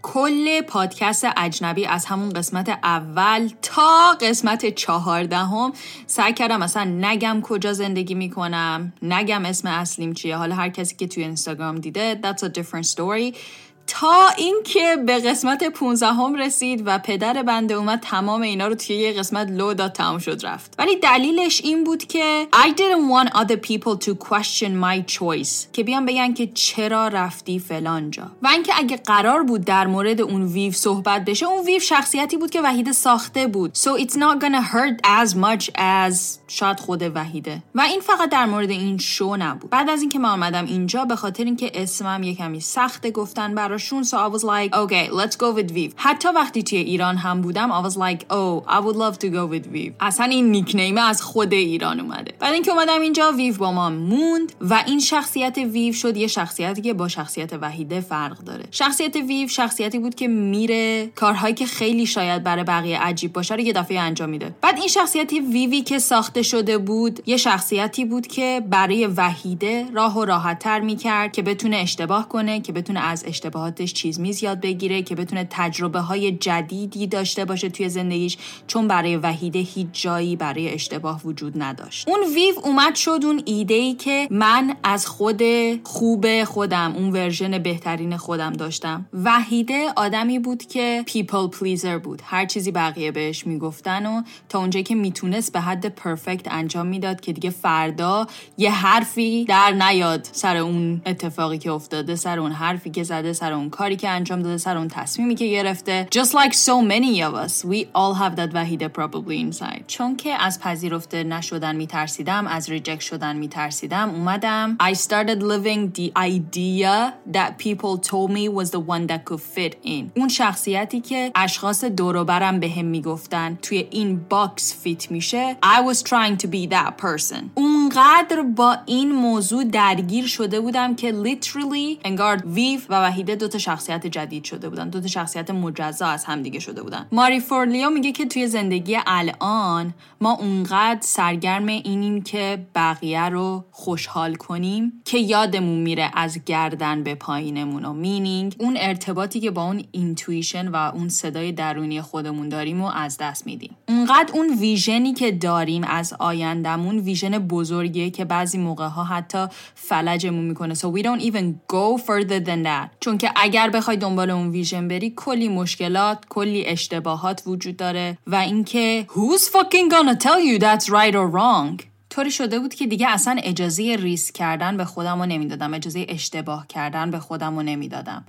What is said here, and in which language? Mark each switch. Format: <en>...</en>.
<fa>کل پادکست اجنبی از همون قسمت اول تا قسمت 14 سعی کردم اصلا نگم کجا زندگی میکنم، نگم اسم اصلیم چیه. حالا هر کسی که توی اینستاگرام دیده</fa> <en>that's a different story.</en> <fa>تا اینکه به قسمت 15 رسید و پدر بنده اومد تمام اینا رو توی یه قسمت لو داد تمام شد رفت. ولی دلیلش این بود که</fa> <en>I didn't want other people to question my choice.</en> <fa>که بیان بگن که چرا رفتی فلان جا. و اینکه اگه قرار بود در مورد اون ویو صحبت بشه، اون ویو شخصیتی بود که وحید ساخته بود.</fa> <en>So it's not gonna hurt as much as</en> <fa>شاید خود وحیده. و این فقط در مورد این شو نبود. بعد از اینکه ما اومدم اینجا به خاطر اینکه اسمم یکمی سخت گفتن براشون،</fa> <en>so I was like okay let's go with Viv.</en> <fa>حتی وقتی توی ایران هم بودم</fa> <en>I was like oh I would love to go with Viv.</en> <fa>اصلا این نیکنیم از خود ایران اومده. بعد اینکه اومدم اینجا Viv با ما موند و این شخصیت Viv شد یه شخصیتی که با شخصیت وحیده فرق داره. شخصیت Viv شخصیتی بود که میره کارهایی که خیلی شاید برای بقیه عجیب باشه رو یه دفعه انجام میده. بعد این شخصیت Vivی که ساخته شده بود یه شخصیتی بود که برای وحیده راهو راحت تر میکرد که بتونه اشتباه کنه، که بتونه از اشتباهاتش چیز میز یاد بگیره، که بتونه تجربه های جدیدی داشته باشه توی زندگیش، چون برای وحیده هیچ جایی برای اشتباه وجود نداشت. اون ویو اومد شد اون ایده‌ای که من از خود خوب خودم، اون ورژن بهترین خودم داشتم. وحیده آدمی بود که people pleaser بود، هر چیزی بقیه بهش میگفتن و تا اونجایی که میتونست به حد پرفکت انجام میداد که دیگه فردا یه حرفی در نیاد سر اون اتفاقی که افتاده، سر اون حرفی که زده، سر اون کاری که انجام داده، سر اون تصمیمی که گرفته.</fa> <en>Just like so many of us, we all have that Vahida probably inside.</en> <fa>چون که از پذیرفته نشدن میترسیدم، از ریجکت شدن میترسیدم، اومدم</fa> <en>I started living the idea that people told me was the one that could fit in.</en> <fa>اون شخصیتی که اشخاص دوروبرم به هم میگفتن توی این باکس فیت میشه،</fa> <en>I was trying to be that person.</en> <fa>اونقدر با این موضوع درگیر شده بودم که literally انگار ویف و وحیده دو تا شخصیت جدید شده بودن، دو تا شخصیت مجزا از هم دیگه شده بودن. ماری فورلیو میگه که توی زندگی الان ما اونقدر سرگرم اینیم که بقیه رو خوشحال کنیم که یادمون میره از گردن به پایینمون و مینینگ اون ارتباطی که با اون اینتویشن و اون صدای درونی خودمون داریم رو از دست میدیم. اونقدر اون ویژنی که داریم از آیندهمون ویژن بزرگیه که بعضی موقع‌ها حتی فلجمون میکنه.</fa> <en>So we don't even go further than that.</en> <fa>چون که اگر بخوای دنبال اون ویژن بری کلی مشکلات، کلی اشتباهات وجود داره و اینکه</fa> <en>who's fucking gonna tell you that's right or wrong.</en> <fa>طوری شده بود که دیگه اصلا اجازه ریسک کردن به خودم رو نمیدادم، اجازه اشتباه کردن به خودم رو نمیدادم.</fa>